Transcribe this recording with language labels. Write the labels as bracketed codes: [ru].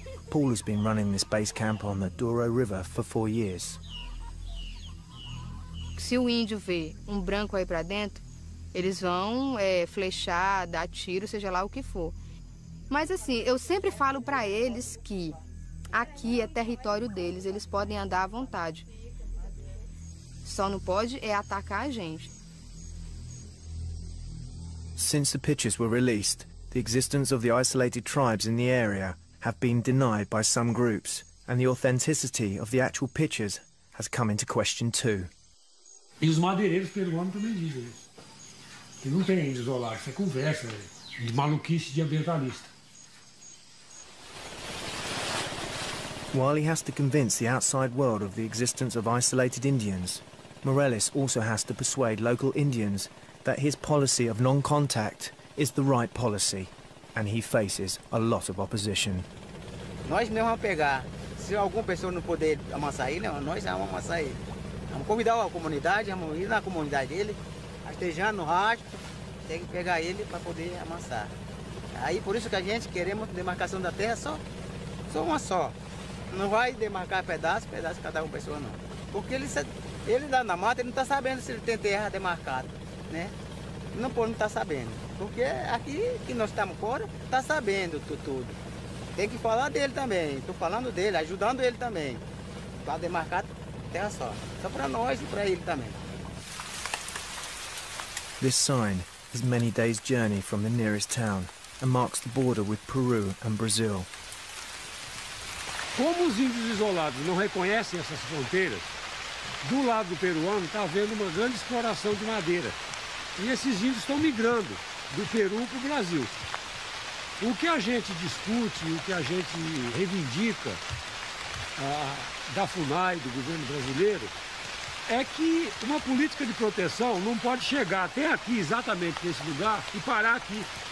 [en] Paul has been running this base camp on the Douro River for 4 years. [pt] Se o índio vê branco aí para dentro, eles vão flechar, dar tiro, seja lá o que for. Mas assim, eu sempre falo para eles que aqui é território deles, eles podem andar à vontade. Só não pode é atacar a gente. [en] Since the pictures were released, the existence of the isolated tribes in the area have been denied by some groups, and the authenticity of the actual pictures has come into question too. [pt] E os madeireiros peruanos também dizem isso. Que não tem índio isolado, isso é conversa, de maluquice de ambientalista. [en] While he has to convince the outside world of the existence of isolated Indians, Morales also has to persuade local Indians that his policy of non-contact is the right policy, and he faces a lot of opposition. [pt] Nós mesmos vamos pegar, se alguma pessoa não poder amassar ele, nós vamos amassar ele. Vamos convidar a comunidade, vamos ir na comunidade dele, rastejando no rastro, tem que pegar ele para poder amassar. Aí por isso que a gente queremos demarcação da terra só uma só. Não vai demarcar pedaço cada uma pessoa não. Porque ele lá na mata, ele não está sabendo se ele tem terra demarcada, né? Não pode não estar sabendo. Porque aqui que nós estamos fora, está sabendo tudo. Tem que falar dele também, estou falando dele, ajudando ele também. Para demarcar terra só para nós e para ele também. [en] This sign is many days' journey from the nearest town and marks the border with Peru and Brazil. [pt] Como os índios isolados não reconhecem essas fronteiras, do lado peruano está havendo uma grande exploração de madeira. E esses índios estão migrando do Peru para o Brasil. O que a gente discute, o que a gente reivindica da FUNAI, do governo brasileiro, é que uma política de proteção não pode chegar até aqui, exatamente nesse lugar, e parar aqui.